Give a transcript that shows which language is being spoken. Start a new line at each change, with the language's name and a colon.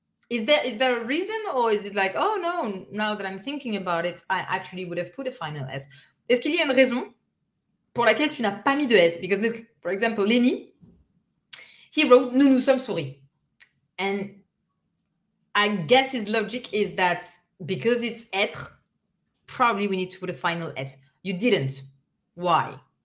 English: Is there a reason or is it like, oh no, now that I'm thinking about it, I actually would have put a final S.
French: Est-ce qu'il y a une raison pour laquelle tu n'as pas mis de S?
English: Because look, for example, Lenny, he wrote,
French: nous nous sommes souris.
English: And I guess his logic is that because it's être, probably we need to put a final S. You didn't. Why?